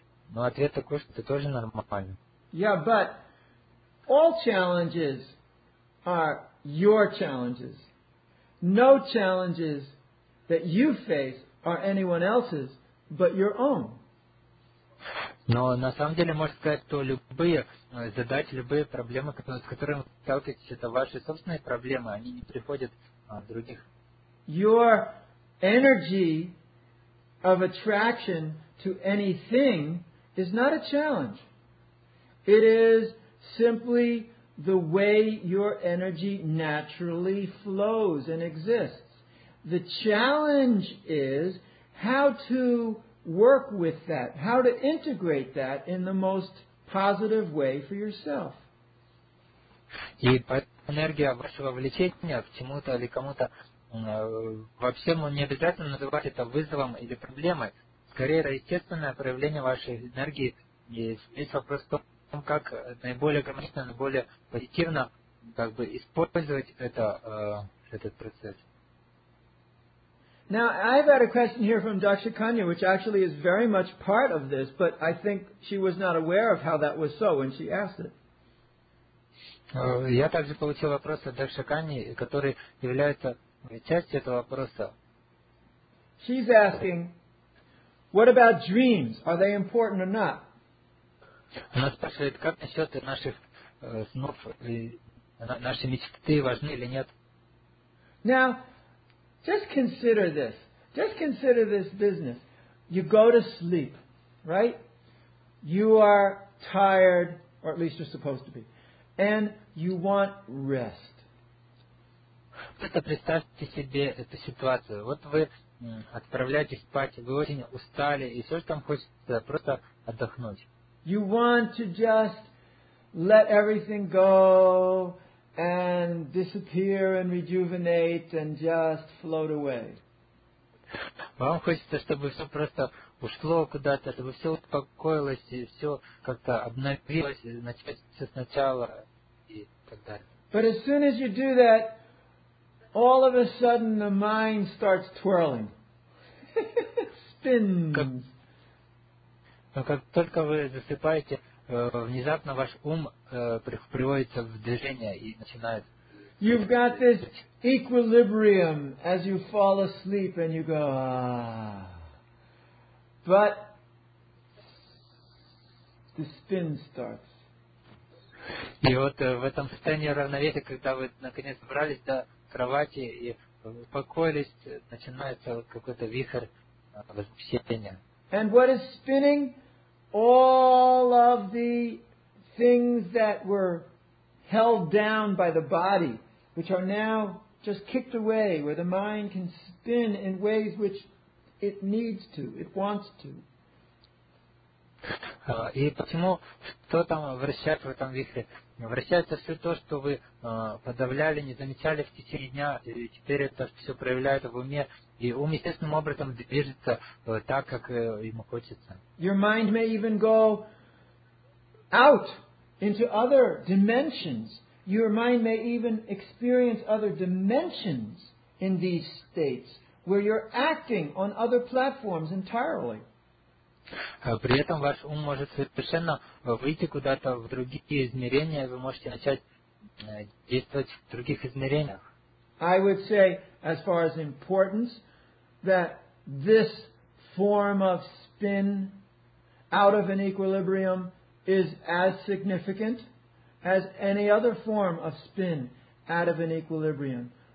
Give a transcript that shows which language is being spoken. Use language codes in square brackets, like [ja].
[ru] Но ответ такой, что это тоже нормально. [en] Yeah, but all challenges are your challenges. No challenges that you face are anyone else's, but your own. [ru] Но на самом деле можно сказать, что любые задачи, любые проблемы, с которыми вы сталкиваетесь, это ваши собственные проблемы, они не приходят от других. [en] Your energy of attraction to anything is not a challenge. It is simply the way your energy naturally flows and exists. The challenge is how to work with that, how to integrate that in the most positive way for yourself. [ru] И энергия вашего влечения к чему-то или кому-то, вообще не обязательно называть это вызовом или проблемой. Скорее, это естественное проявление вашей энергии. И здесь вопрос в том, как наиболее гармонично, наиболее позитивно как бы использовать это, этот процесс. [en] Now, I've had a question here from Daksha Kanya, which actually is very much part of this, but I think she was not aware of how that was so when she asked it. [ru] Я также получил вопрос от Даши Кани, который является частью этого вопроса. [en] She's asking, what about dreams? Are they important or not? [ru] Она спрашивает, как насчет наших снов, наши мечты важны или нет? [en] Now, just consider this. Just consider this business. You go to sleep, right? You are tired, or at least you're supposed to be, and you want rest. [ru] Просто представьте себе эту ситуацию. Вот вы отправляетесь спать, вы очень устали, и все, что вам хочется, просто отдохнуть. [en] You want to just let everything go and disappear and rejuvenate and just float away. [ru] Вам хочется, чтобы все просто ушло куда-то, чтобы все успокоилось, и все как-то обновилось, и начать все сначала, и так далее. [en] But as soon as you do that, all of a sudden the mind starts twirling. Spins. [ru] Как только вы засыпаете, внезапно ваш ум приводится в движение и начинает... [en] You've got this equilibrium as you fall asleep and you go, But the spin starts. [ru] И вот в этом состоянии равновесия, когда вы наконец добрались до кровати и успокоились, начинается какой-то вихрь возмущения. [en] And what is spinning? All of the things that were held down by the body, which are now just kicked away, where the mind can spin in ways which it needs to, it wants to. [ru] И почему, что там вращается в этом вихре? Вращается все то, что вы подавляли, не замечали в течение дня, и теперь это все проявляет в уме, и ум естественным образом движется так, как ему хочется. [en] Your mind may even go out into other dimensions. Your mind may even experience other dimensions in these states where you're acting on other platforms entirely. [ru] При этом ваш ум может совершенно выйти куда-то в другие измерения, вы можете начать действовать в других измерениях. [en] I would say, as far as importance, that this form of spin out of an equilibrium is as significant as any other form of spin out of an equilibrium.